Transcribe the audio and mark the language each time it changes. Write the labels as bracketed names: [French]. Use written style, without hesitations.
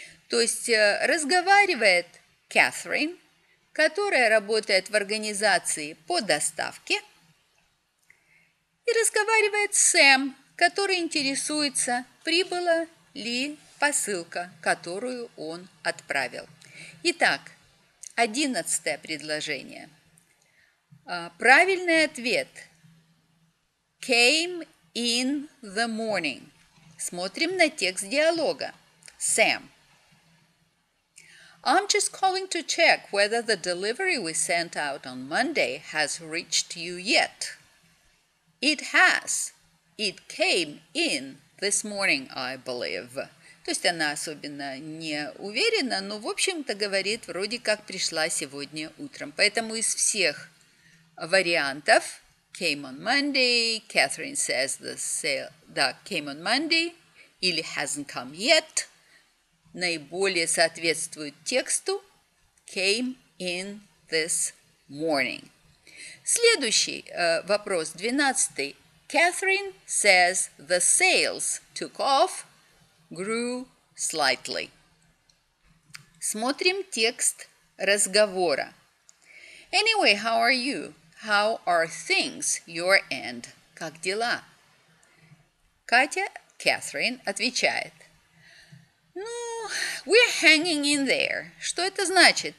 [Russian] То есть разговаривает Кэтрин, которая работает в организации по доставке, и разговаривает Сэм, который интересуется, прибыла ли посылка, которую он отправил. Итак, 11-е предложение. Правильный ответ. [English] Came in the morning. [Russian] Смотрим на текст диалога. Сэм. [English] I'm just calling to check whether the delivery we sent out on Monday has reached you yet. It has. It came in this morning, I believe. [Russian] То есть она особенно не уверена, но в общем-то говорит, вроде как пришла сегодня утром. Поэтому из всех вариантов [English] came on Monday, Catherine says the sale that came on Monday, или hasn't come yet, [Russian] наиболее соответствует тексту [English] came in this morning. [Russian] Следующий вопрос, 12-й. [English] Catherine says the sales took off, grew slightly. [Russian] Смотрим текст разговора. [English] Anyway, how are you? How are things, your end? [Russian] Как дела? Катя, Catherine, отвечает. Ну, [English] we're hanging in there. [Russian] Что это значит?